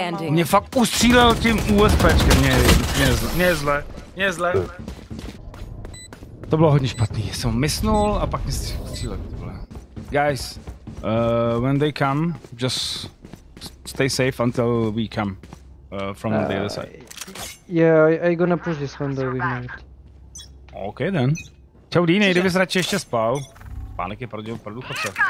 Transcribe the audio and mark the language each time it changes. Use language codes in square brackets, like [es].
[cs] Mě fakt ustřílel tím USPčkem, mě je zle. Mě je zle. To bylo hodně špatný, jsem misnul a pak mě střílel. [en] Guys, when they come, just stay safe until we come from the other side. Yeah, I'm gonna push this one though, we might. OK then. [cs] Čau Dýnej, kdybys radši ještě spal. Pánek je pro důchodce.